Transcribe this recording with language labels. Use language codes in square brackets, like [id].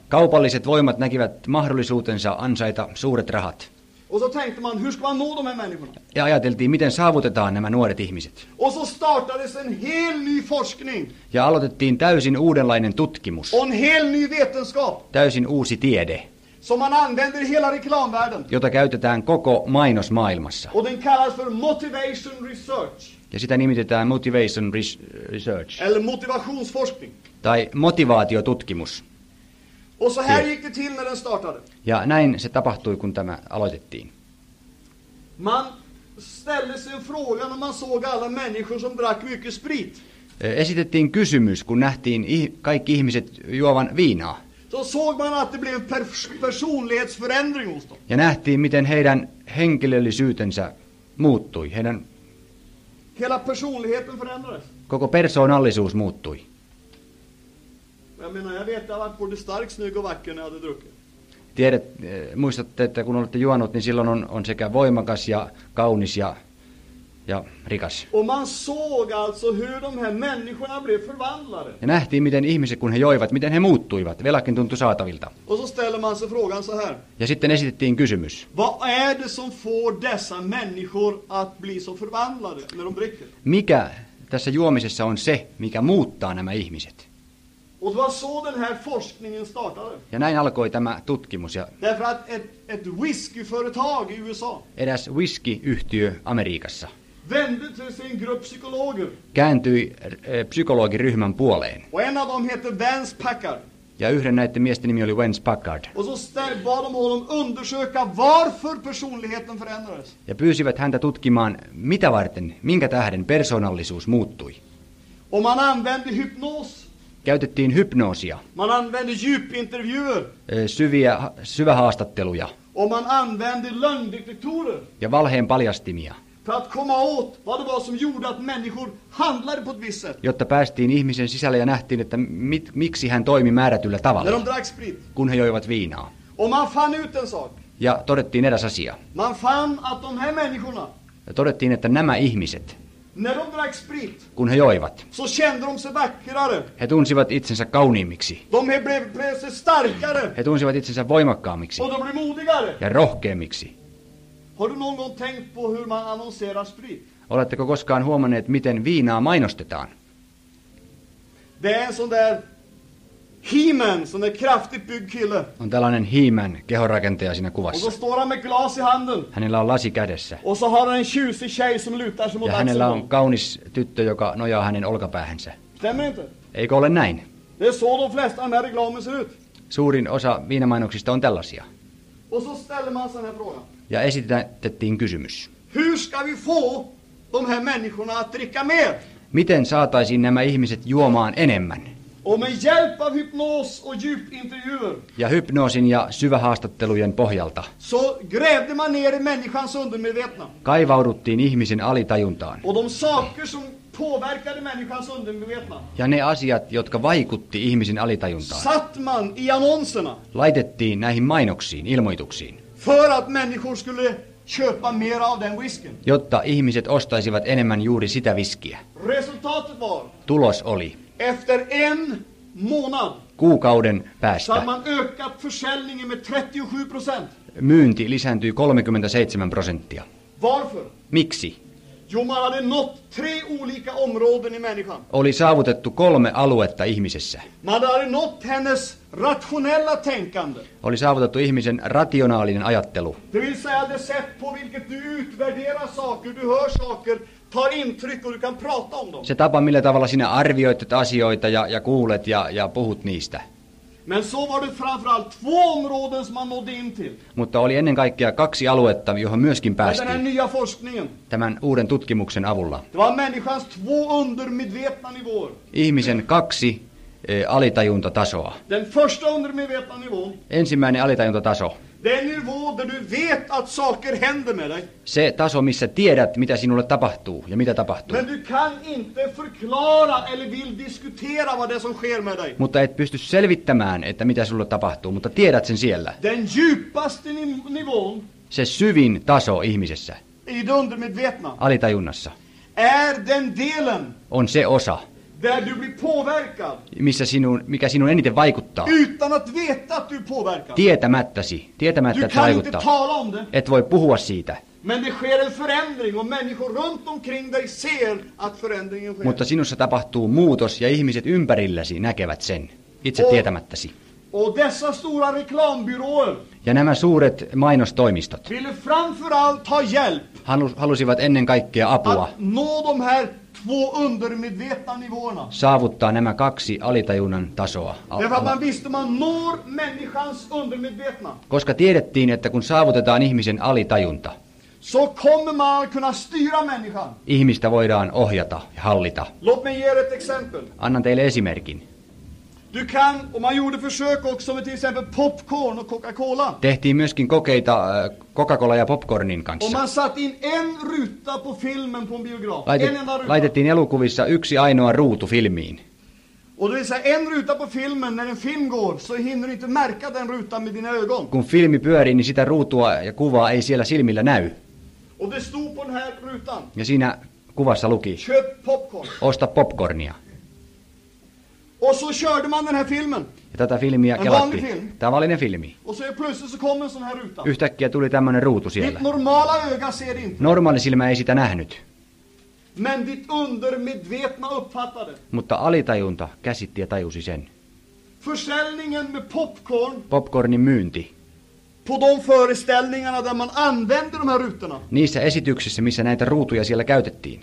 [fi] Kaupalliset voimat näkivät mahdollisuutensa ansaita suuret rahat. [sv] Och så tänkte man, hur ska man nå de här människorna? [fi] Ja ajateltiin, miten saavutetaan nämä nuoret ihmiset. [sv] Och så startades en hel ny forskning. [fi] Ja aloitettiin täysin uudenlainen tutkimus. [sv] En hel ny vetenskap. [fi] Täysin uusi tiede. [sv] Som man använder hela reklamvärlden. [fi] Jota käytetään koko mainosmaailmassa. [sv] Och den kallas för motivation research. [fi] Ja sitä nimitetään motivation research. [sv] Eller motivationsforskning. [fi] Tai motivaatiotutkimus. [sv] Och så här gick det till när den startade. [fi] Ja näin se tapahtui, kun tämä aloitettiin. [sv] Man ställde sig en fråga när man såg alla människor som drack mycket sprit. [fi] Esitettiin kysymys, kun nähtiin kaikki ihmiset juovan viinaa. [sv] Så såg man att det blev en personlighetsförändring hos dem. [fi] Ja nähtiin, miten heidän henkilöllisyytensä muuttui. [sv] Hela personligheten förändrades. [fi] Koko persoonallisuus muuttui. [sv] Jag menar, jag vet att jag var både stark, snygg och vacker när jag hade druckit. [fi] Muistatte, että kun olette juonut, niin silloin on sekä voimakas ja kaunis ja rikas. [sv] Och man såg alltså hur de här människorna blev förvandlade. [fi] Ja nähtiin, miten ihmiset, kun he joivat, miten he muuttuivat. Velakin tuntui saatavilta. [sv] Och så ställer man sig frågan så här. [fi] Ja sitten esitettiin kysymys. [sv] Vad är det som får dessa människor att bli så förvandlade när de dricker? [fi] Mikä tässä juomisessa on se, mikä muuttaa nämä ihmiset? [sv] Och det var så den här forskningen startade. [fi] Ja näin alkoi tämä tutkimus. [sv] Därför att ett whiskyföretag i USA. [fi] Eräs whiskyyhtiö Amerikassa. [sv] Vände till sin grupp psykologer. [fi] Kääntyi psykologiryhmän puoleen. [sv] Och en av dem heter Vance Packard. [fi] Ja yhden näiden miesten nimi oli Vance Packard. [sv] Och så bad de honom undersöka varför personligheten förändrades. [fi] Ja pyysivät häntä tutkimaan, mitä varten, minkä tähden persoonallisuus muuttui. [sv] Och man använde hypnos. [fi] Käytettiin hypnoosia. [sv] Man använde djupintervjuer. [fi] Syviä haastatteluja. [sv] Och man använde lögndetektorer. [fi] Ja valheen paljastimia. [sv] För att komma åt vad det var som gjorde att människor handlade på ett visst sätt. [fi] Jotta päästiin ihmisen sisälle ja nähtiin, että miksi hän toimi määrätyllä tavalla. [sv] När de drack sprit. [fi] Kun he joivat viinaa. [sv] Och man fann ut en sak. [fi] Ja todettiin eräs asia. [sv] Man fann att de här människorna. [fi] Ja todettiin, että nämä ihmiset. [sv] När de drack sprit. [fi] Kun he joivat. [sv] Så kände de sig vackrare. [fi] He tunsivat itsensä kauniimmiksi. [sv] De blev starkare. [fi] He tunsivat itsensä voimakkaammiksi. [sv] Och de blev modigare. [fi] Ja rohkeammiksi. [sv] Har du någon gång tänkt på hur man annonserar sprit? [fi] Oletteko koskaan huomanneet, miten viinaa mainostetaan? [sv] Det är en sån där He-Man, sån där kraftigt byggd kille. [fi] On tällainen He-Man, kehorakentaja siinä kuvassa. [sv] Och så står han med glas i handen. [fi] Hänellä on lasi kädessä. [sv] Och så har han en tjusig tjej som lutar sig mot axeln. [fi] Hänellä on kaunis tyttö, joka nojaa hänen olkapäähänsä. [sv] Stämmer inte? [fi] Eikö ole näin? [sv] Det är så de flesta av de här reklamen ser ut. [fi] Suurin osa viinamainoksista on tällaisia. [sv] Och så ställer man sån här frågan. [fi] Ja esitettiin kysymys. [sv] Hur ska vi få de här människorna att dricka mer? [fi] Miten saataisiin nämä ihmiset juomaan enemmän? [sv] Och med hjälp av hypnos och djupintervjuer. [fi] Ja hypnoosin ja syvähaastattelujen pohjalta. [sv] Så grävde man ner i människans undermedvetna. [fi] Kaivauduttiin ihmisen alitajuntaan. [sv] Och de saker som påverkade människans undermedvetna. [fi] Ja ne asiat, jotka vaikutti ihmisen alitajuntaan. [sv] Satt man i annonserna. [fi] Laitettiin näihin mainoksiin, ilmoituksiin. [sv] För att människor skulle köpa mer av den whiskyn. [fi] Jotta ihmiset ostaisivat enemmän juuri sitä viskiä. [sv] Resultatet var. [fi] Tulos oli. [sv] Efter en månad. [fi] Kuukauden päästä. [sv] Så man ökat försäljningen med 37%. [fi] Myynti lisääntyi 37%. [sv] Varför? [fi] Miksi? [sv] Jo, man hade nått tre olika områden i människan. [fi] Oli saavutettu kolme aluetta ihmisessä. [sv] Man hade nått hennes rationella tänkande. [fi] Oli saavutettu ihmisen rationaalinen ajattelu. [sv] Det vill säga det sätt på vilket du utvärderar saker, du hör saker, tar intryck och du kan prata om dem. [fi] Se tapa, millä tavalla sinä arvioitet asioita ja kuulet ja puhut niistä. [sv] Men så var det framförallt två områden som man nådde in till. [fi] Mutta oli ennen kaikkea kaksi aluetta, johon myöskin päästiin. Tämän [sv] nya forskningen. [fi] Tämän uuden tutkimuksen avulla. [sv] Det var människans två undermedvetna nivåer. [fi] Ihmisen kaksi alitajuntatasoa. [sv] Den första undermedvetna nivån. [fi] Ensimmäinen alitajuntataso. [sv] Den nivån där du vet att saker händer med dig. [fi] Se taso, missä tiedät, mitä sinulle tapahtuu ja mitä tapahtuu. [sv] Men du kan inte förklara eller vill diskutera vad det som sker med dig. [fi] Mutta et pysty selvittämään, että mitä sinulle tapahtuu, mutta tiedät sen siellä. [sv] Den djupaste nivån. [fi] Se syvin taso ihmisessä. [sv] I det undermedvetna. [fi] Alitajunnassa. [sv] Är den delen. [fi] On se osa. [sv] Där du blir påverkad. [fi] Missä sinun, mikä sinun eniten vaikuttaa. [sv] Utan att veta att du påverkas. [fi] Tietämättäsi, tietämättä [sv] du [fi] että vaikuttaa. [sv] Du kan inte tala om det. [fi] Et voi puhua siitä. [sv] Men det sker en förändring och människor runt omkring dig ser att förändringen sker. [fi] Mutta sinussa tapahtuu muutos ja ihmiset ympärilläsi näkevät sen. Itse [sv] och, [fi] tietämättäsi. [sv] Och dessa stora reklambyråer. [fi] Ja nämä suuret mainostoimistot. [sv] Vill framförallt ta hjälp. [fi] Halusivat ennen kaikkea apua. [sv] Att nå de här två undermedvetna nivåerna. [fi] Saavuttaa nämä kaksi alitajunnan tasoa. [sv] Man visste man når människans undermedvetna. [fi] Koska tiedettiin, että kun saavutetaan ihmisen alitajunta. [sv] Så kommer man kunna styra människan. [fi] Ihmistä voidaan ohjata ja hallita. [sv] Låt mig ge ett exempel. [fi] Annan teille esimerkin. [sv] Du kan, och man gjorde försök också med till exempel popcorn och Coca-Cola. [fi] Tehtiin myöskin kokeita Coca-Cola ja popcornin kanssa. [sv] Och man satt in en ruta på filmen på en biograf. [fi] Laitettiin elokuvissa yksi ainoa ruutu filmiin. [sv] Och det vill säga en ruta på filmen, när en film går, så hinner du inte märka den rutan med dina ögon. [fi] Kun filmi pyörii, niin sitä ruutua ja kuvaa ei siellä silmillä näy. [sv] Och det stod på den här rutan. [fi] Ja siinä kuvassa luki. [sv] Köp popcorn. [fi] Osta popcornia. [sv] Och så körde man den här filmen. [fi] Ja tätä filmiä kelattiin. Tavallinen filmi. [sv] Och så plötsligt så kom en sån här ruta. [fi] Yhtäkkiä tuli tämmönen ruutu siellä. [sv] Ditt normala öga ser inte. [fi] Normaali silmä ei sitä nähnyt. [sv] Men ditt undermedvetna uppfattade. [fi] Mutta alitajunta käsitti ja tajusi sen. [sv] Försäljningen med popcorn. [fi] Popcornin myynti. [sv] På de föreställningarna där man använde de här rutorna. [fi] Niissä esityksissä, missä näitä ruutuja siellä käytettiin.